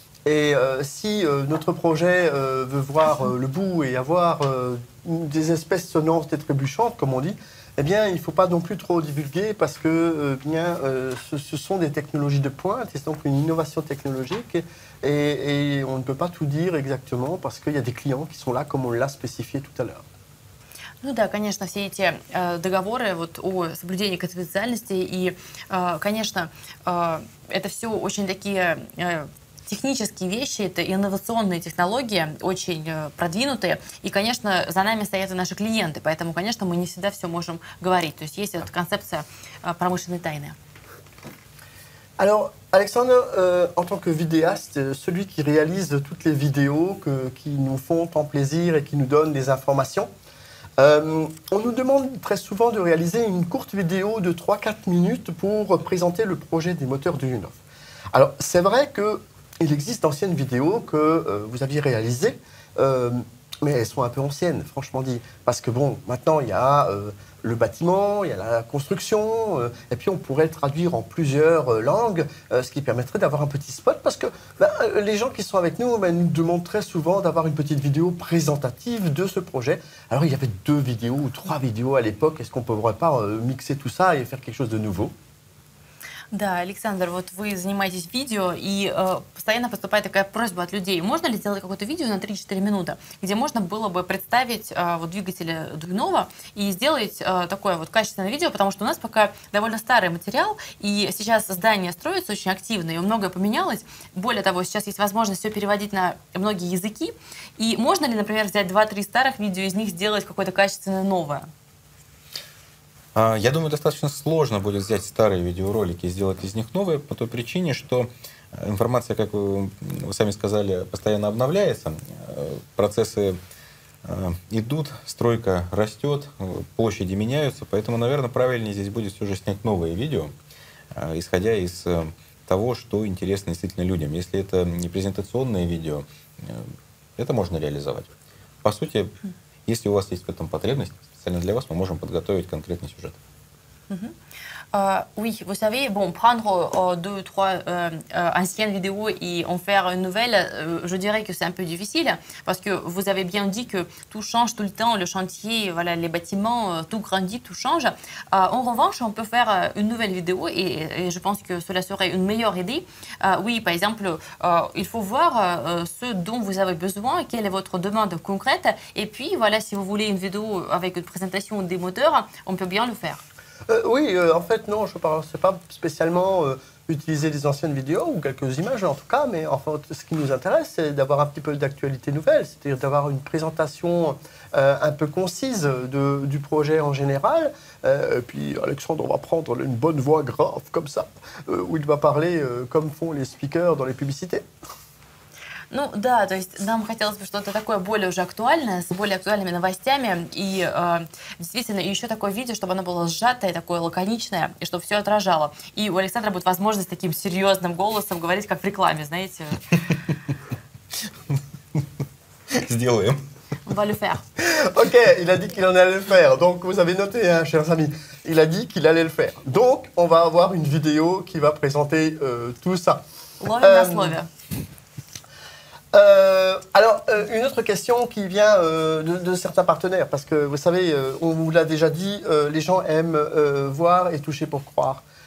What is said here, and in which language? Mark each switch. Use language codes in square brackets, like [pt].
[fr] Et si notre projet veut voir le bout et avoir des espèces sonores et trébuchantes, comme on dit, eh bien, il ne faut pas non plus trop divulguer parce que ce sont des technologies de pointe, c'est donc une innovation technologique et on ne peut pas tout dire exactement parce qu'il y a des clients qui sont là, comme on l'a spécifié tout à l'heure. [ru] Ну да, конечно, все эти договоры вот, о соблюдении конфиденциальности и, конечно, это все очень такие технические вещи, это инновационные технологии, очень продвинутые. И, конечно, за нами стоят и наши клиенты, поэтому, конечно, мы не всегда все можем говорить. То есть есть эта концепция промышленной тайны. [fr] Alors, Alexandre, en tant que vidéaste, celui qui réalise toutes les vidéos qui nous font tant plaisir et qui nous donne des informations, on nous demande très souvent de réaliser une courte vidéo de 3-4 minutes pour présenter le projet des moteurs de Unov. Alors, c'est vrai qu'il existe d'anciennes vidéos que vous aviez réalisées, mais elles sont un peu anciennes, franchement dit. Parce que bon, maintenant, il y a le bâtiment, il y a la construction, et puis on pourrait le traduire en plusieurs langues, ce qui permettrait d'avoir un petit spot, parce que ben, les gens qui sont avec nous nous demandent très souvent d'avoir une petite vidéo présentative de ce projet. Alors il y avait 2 vidéos ou 3 vidéos à l'époque, est-ce qu'on ne pourrait pas mixer tout ça et faire quelque chose de nouveau? [ru] Да, Александр, вот вы занимаетесь видео, и постоянно поступает такая просьба от людей. Можно ли сделать какое-то видео на 3-4 минуты, где можно было бы представить вот двигатели Дуйнова и сделать такое вот качественное видео, потому что у нас пока довольно старый материал, и сейчас здание строится очень активно, и многое поменялось. Более того, сейчас есть возможность все переводить на многие языки. И можно ли, например, взять 2-3 старых видео, из них сделать какое-то качественное новое? Я думаю, достаточно сложно будет взять старые видеоролики и сделать из них новые, по той причине, что информация, как вы сами сказали, постоянно обновляется, процессы идут, стройка растет, площади меняются, поэтому, наверное, правильнее здесь будет все же снять новые видео, исходя из того, что интересно действительно людям. Если это не презентационное видео, это можно реализовать. По сути, если у вас есть в этом потребность, для вас мы можем подготовить конкретный сюжет. [fr] Oui, vous savez, bon, prendre deux ou trois anciennes vidéos et en faire une nouvelle, je dirais que c'est un peu difficile parce que vous avez bien dit que tout change tout le temps, le chantier, voilà, les bâtiments, tout grandit, tout change. En revanche, on peut faire une nouvelle vidéo et je pense que cela serait une meilleure idée. Oui, par exemple, il faut voir ce dont vous avez besoin, quelle est votre demande concrète. Et puis, voilà, si vous voulez une vidéo avec une présentation des moteurs, on peut bien le faire. Oui, en fait, non, je ne pensais pas spécialement utiliser des anciennes vidéos ou quelques images en tout cas, mais en fait, ce qui nous intéresse, c'est d'avoir un petit peu d'actualité nouvelle, c'est-à-dire d'avoir une présentation un peu concise du projet en général. Puis Alexandre, on va prendre une bonne voix grave comme ça, où il va parler comme font les speakers dans les publicités. [ru] Ну да, то есть нам хотелось бы что-то такое более уже актуальное, с более актуальными новостями и действительно еще такое видео, чтобы оно было сжатое, такое лаконичное, и чтобы все отражало. И у Александра будет возможность таким серьезным голосом говорить, как в рекламе, знаете. Сделаем. [fr] On va le faire. Ok, il a dit qu'il en allait le faire. Donc, vous avez noté, hein, chers amis, il a dit qu'il allait le faire. Donc, on va avoir une vidéo qui va présenter tout ça. [ru] Ловим на слове. [fr] Alors, une autre question qui vient de certains partenaires, parce que vous savez, on vous l'a déjà dit, les gens aiment voir et toucher pour croire.